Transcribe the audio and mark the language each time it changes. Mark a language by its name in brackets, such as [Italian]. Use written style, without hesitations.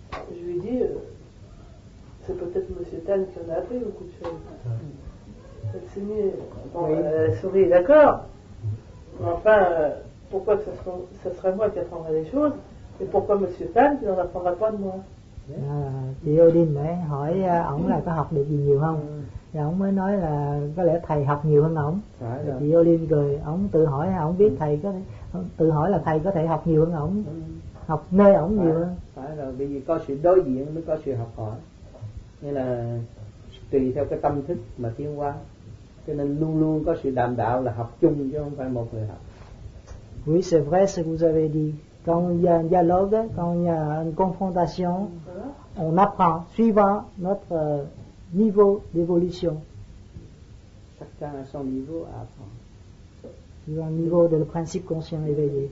[French] Je lui dis, c'est peut-être M. Tan qui en a appris beaucoup de choses. Ça s'est mis, bon, oui. Elle sourit, d'accord. Mais enfin, pourquoi ça serait moi qui apprendrais les choses, et pourquoi M. Tan qui n'en apprendra pas de moi? [Vietnamese] Chị Odin mới hỏi ổng là có học được gì nhiều không, thì ổng mới nói là có lẽ thầy học nhiều hơn ổng. Chị Odin cười, ổng tự hỏi, ổng biết thầy có thể, tự hỏi là thầy có thể học nhiều hơn ổng, học nơi ổng nhiều hơn. Phải rồi, vì có sự đối diện mới có sự học hỏi, nên là tùy theo cái tâm thức mà tiến hóa, cho nên luôn luôn có sự đàm đạo là học chung chứ không phải một người học. [French] Oui, c'est vrai ce que vous avez dit. Quand il y a un dialogue, quand il y a une confrontation, on apprend suivant notre niveau d'évolution. Chacun a son niveau à apprendre. Suivant le niveau de le principe conscient éveillé.